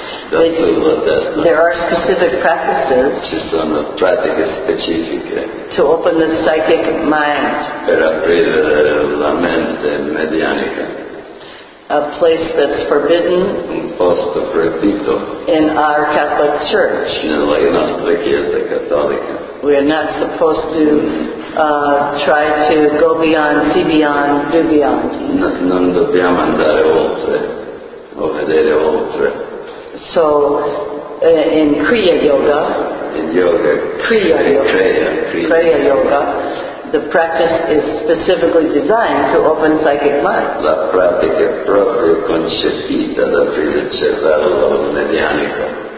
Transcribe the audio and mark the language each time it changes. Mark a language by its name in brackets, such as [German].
[English] There are specific practices. [Italian] Ci sono pratiche specifiche. [English] To open the psychic mind. [Italian] Per aprire la mente medianica. [English] A place that's forbidden. [Italian] Un posto proibito. [English] In our Catholic Church. [Italian] Nella nostra chiesa cattolica. [English] We are not supposed to try to go beyond, see beyond, do beyond. [Italian] Non dobbiamo andare oltre o vedere oltre. [English] So, in Kriya Yoga, Kriya Yoga, the practice is specifically designed to open psychic minds. [Italian] La pratica è proprio concepita da aprire il cervello medianico.